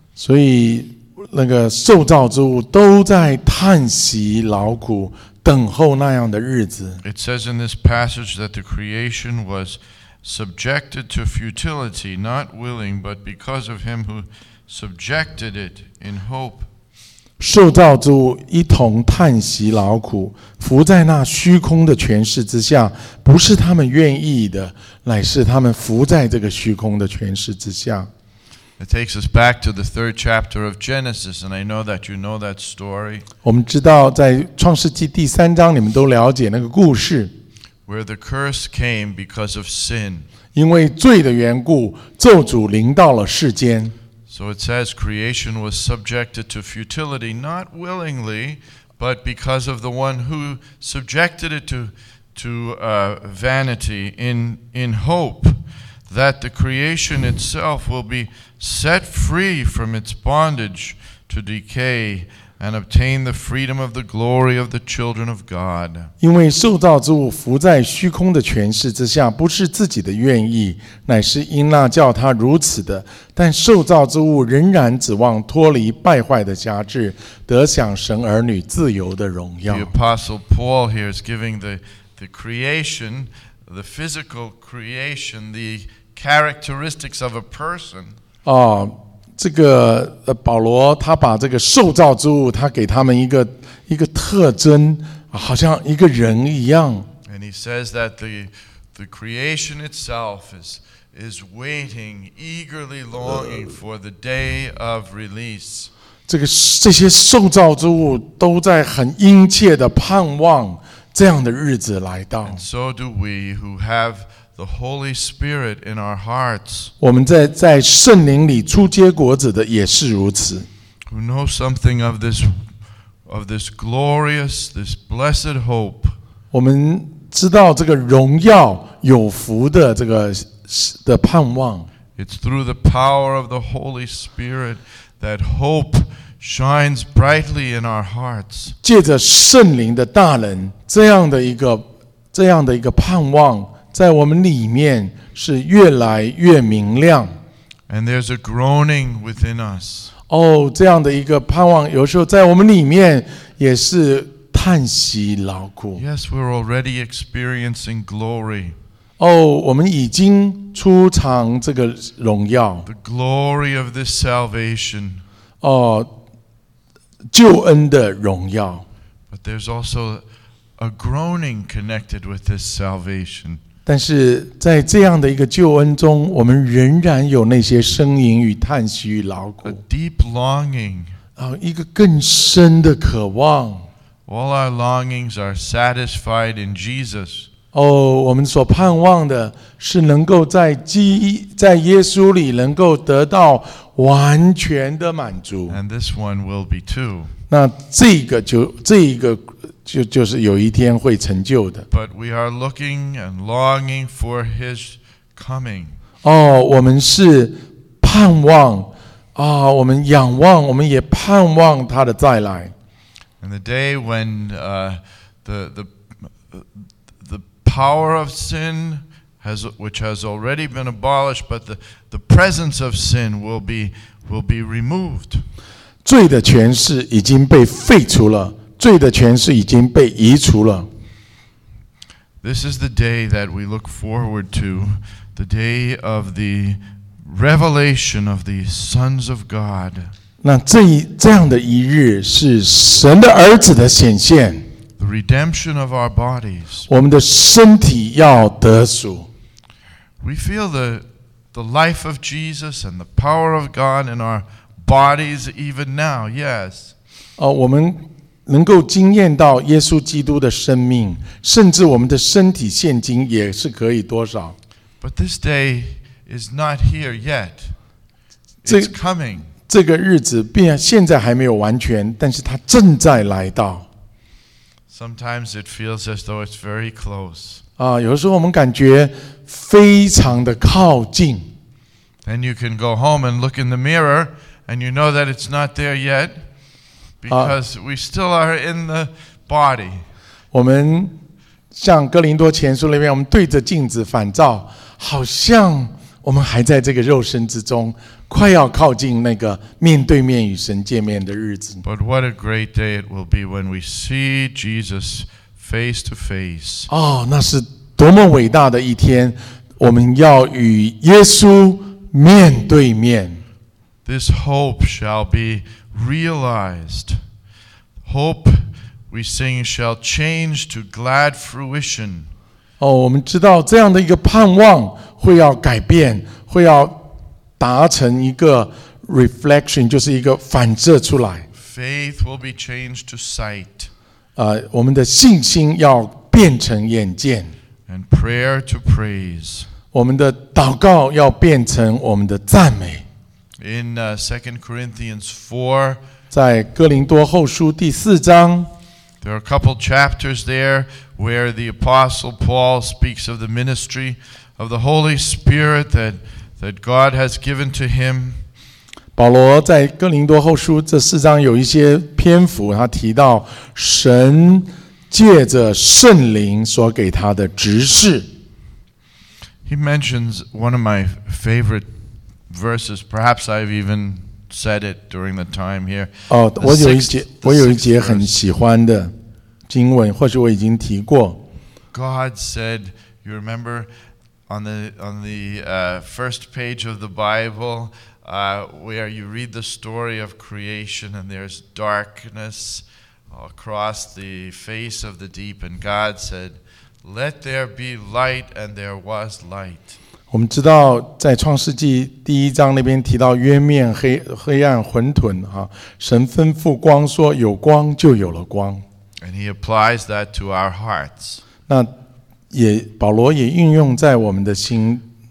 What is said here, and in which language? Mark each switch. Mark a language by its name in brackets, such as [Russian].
[Chinese] 所以那个受造之物都在叹息劳苦，等候那样的日子。 [English] It says in this passage that the creation was. Subjected to futility, not willing, but because of him who subjected it in hope. [Chinese] 受造之物一同叹息劳苦，伏在那虚空的权势之下，不是他们愿意的，乃是他们伏在这个虚空的权势之下。 [English] It takes us back to the third chapter of Genesis, and I know that you know that story. [Chinese] 我们知道在创世纪第三章，你们都了解那个故事。 [English] Where the curse came because of sin. [Chinese] 因为罪的缘故，咒诅临到了世间。 [English] So it says creation was subjected to futility, not willingly, but because of the one who subjected it to vanity in hope that the creation itself will be set free from its bondage to decay. And obtain the freedom of the glory of the children of God. [Chinese] 因为受造之物伏在虚空的权势之下，不是自己的愿意，乃是因那叫他如此的。但受造之物仍然指望脱离败坏的辖制，得享神儿女自由的荣耀。 [English] The Apostle Paul here is giving the creation, the physical creation, the characteristics of a person. [Chinese] 这个保罗他把这个受造之物他给他们一个特征好像一个人一样。 [English] And he says that the creation itself is waiting eagerly longing for the day of release. [Chinese] 这些受造之物都在很殷切的盼望这样的日子来到。 [English] And so do we who have the Holy Spirit in our hearts. [Chinese] 我们在圣灵里初结果子的也是如此。 [English] Who know something of this glorious, this blessed hope. [Chinese] 我们知道这个荣耀有福的这个的盼望。 [English] It's through the power of the Holy Spirit that hope shines brightly in our hearts. [Chinese] 借着圣灵的大能，这样的一个盼望在我们里面是越来越明亮。 [English] And there's a groaning within us. [Chinese] 哦，这样的一个盼望，有时候在我们里面也是叹息劳苦。 [English] Yes, we're already experiencing glory. [Chinese] 哦，我们已经出尝这个荣耀。 [English] The glory of this salvation. [Chinese] 哦，救恩的荣耀。 [English] But there's also a groaning connected with this salvation. [Chinese] 但是在这样的一个救恩中，我们仍然有那些呻吟与叹息与劳苦。 [English] A deep longing. [Chinese] 哦，一个更深的渴望。 [English] All our longings are satisfied in Jesus. [Chinese] 哦，我们所盼望的是能够在耶稣里能够得到完全的满足。 [English] And this one will be too. [Chinese] 那这个就是有一天会成就的。 [English] But we are looking and longing for His coming. [Chinese] 哦，我们是盼望啊，我们仰望，我们也盼望他的再来。 [English] And the day when the power of sin has, which has already been abolished, but the presence of sin will be removed. [Chinese] 罪的权势已经被废除了，罪的权势已经被移除了。 [English] This is the day that we look forward to, the day of the revelation of the sons of God. [Chinese] 那这样的一日是神的儿子的显现。 [English] The redemption of our bodies. [Chinese] 我们的身体要得赎。 [English] We feel the life of Jesus and the power of God in our bodies even now, yes. [Chinese] 我们能够经验到耶稣基督的生命，甚至我们的身体现今也是可以多少。 [English] But this day is not here yet. It's coming. [Chinese] 这个日子并现在还没有完全，但是它正在来到。 [English] Sometimes it feels as though it's very close. [Chinese] 啊，有的时候我们感觉非常的靠近。 [English] Then you can go home and look in the mirror, and you know that it's not there yet, because we still are in the body. [Chinese] 我们像哥林多前书那边，我们对着镜子反照，好像我们还在这个肉身之中。快要靠近那个面对面与神见面的日子。 [English] But what a great day it will be when we see Jesus face to face. [Chinese] 哦，那是多么伟大的一天，我们要与耶稣面对面。 [English] This hope shall be realized. Hope we sing shall change to glad fruition. [Chinese] 哦，我们知道这样的一个盼望会要改变，会要达成一个 reflection， 就是一个反射出来。 [English] Faith will be changed to sight。 [Chinese] 我们的信心要变成眼见。 [English] And prayer to praise。 [Chinese] 我们的祷告要变成我们的赞美。 [English] In Second Corinthians 4， [Chinese] 在哥林多后书第四章 [English] ，There are a couple chapters there where the Apostle Paul speaks of the ministry of the Holy Spirit that God has given to him. [Chinese] 保罗在哥林多后书这四章有一些篇幅，他提到神借着圣灵所给他的职事。 [English] He mentions one of my favorite verses. Perhaps I've even said it during the time here. [Chinese] 哦，我有一节很喜欢的经文，或许我已经提过。 [English] God said, "You remember." On the first page of the Bible, where you read the story of creation, and there's darkness across the face of the deep, and God said, "Let there be light," and there was light. [Chinese] 我们知道在创世纪第一章那边提到约面 黑暗混沌、啊、神吩咐光说有光就有了光。 [English] And he applies that to our hearts. [Chinese] 那也保罗也运用在我们的心。